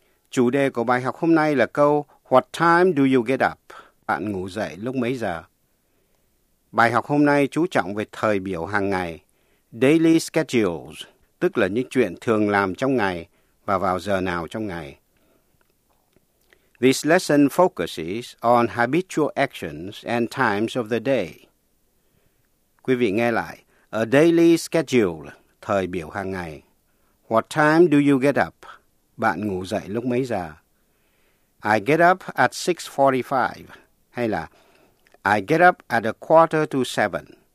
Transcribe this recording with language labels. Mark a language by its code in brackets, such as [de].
[vi] Chủ đề của bài học hôm nay là câu [en] What time do you get up? [vi] Bạn ngủ dậy lúc mấy giờ? Bài học hôm nay chú trọng về thời biểu hàng ngày, [en] daily schedules, [vi] tức là những chuyện thường làm trong ngày và vào giờ nào trong ngày. [en] This lesson focuses on habitual actions and times of the day. [vi] Quý vị nghe lại, [en] a daily schedule, [vi] thời biểu hàng ngày. [en] What time do you get up? [vi] Bạn ngủ dậy lúc mấy giờ? [en] I get up at 6:45, [vi] hay là [en] I get up at 6:45.